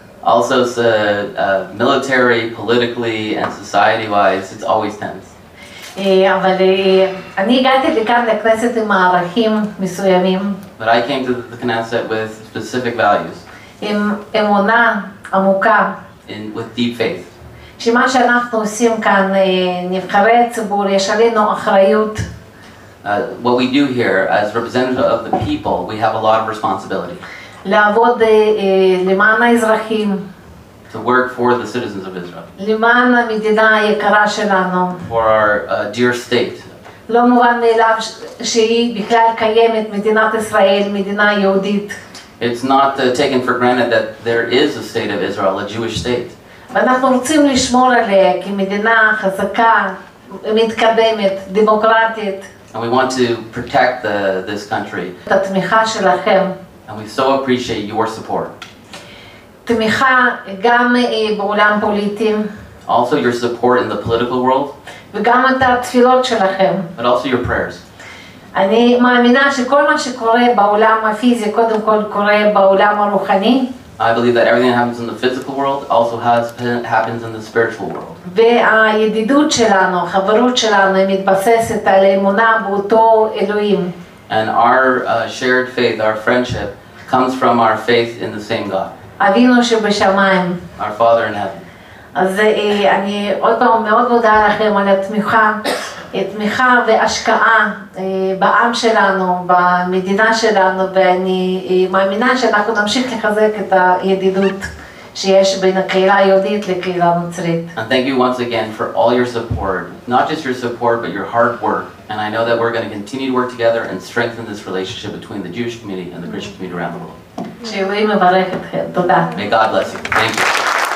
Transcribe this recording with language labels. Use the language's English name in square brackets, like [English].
[English] Also, military, politically, and society-wise, it's always tense. But I came to the Knesset with specific values. [Hebrew] עם אמונה עמוקה. [English] And with deep faith. [Hebrew] שמה שאנחנו עושים כאן, נבחרי הציבור, יש עלינו אחריות. [English] What we do here, as representative of the people, we have a lot of responsibility. [Hebrew] לעבוד למען האזרחים. [English] To work for the citizens of Israel. [Hebrew] למען המדינה היקרה שלנו. [English] For our dear state. [Hebrew] לא מובן מאליו שהיא בכלל קיימת, מדינת ישראל, מדינה יהודית. [English] It's not taken for granted that there is a state of Israel, a Jewish state. [Hebrew] ואנחנו רוצים לשמור עליה כמדינה חזקה, מתקדמת, דמוקרטית. [English] And we want to protect this country. [Hebrew] את התמיכה שלכם. [English] And we so appreciate your support. [Hebrew] תמיכה גם בעולם פוליטי. [English] Also your support in the political world. [Hebrew] וגם את התפילות שלכם. [English] But also your prayers. [Hebrew] אני מאמינה שכל מה שקורה בעולם הפיזי קודם כל קורה בעולם הרוחני. [English] I believe that everything that happens in the physical world also happens in the spiritual world. [Hebrew] והידידות שלנו, החברות שלנו מתבססת על אמונה באותו אלוהים. [English] And our shared faith, our friendship comes from our faith in the same God. [Hebrew] אבינו שבשמיים. [English] Our Father in heaven. [Hebrew] אז אני עוד פעם מאוד מודה לכם על התמיכה והשקעה בעם שלנו, במדינה שלנו, ואני מאמינה שאנחנו נמשיך לחזק את הידידות שיש בין הקהילה היהודית לקהילה המצרית. [English] And thank you once again for all your support, not just your support, but your hard work. And I know that we're going to continue to work together and strengthen this relationship between the Jewish community and the Christian community around the world. [Hebrew] שאלוהים מברך אתכם. תודה. [English] May God bless you. Thank you.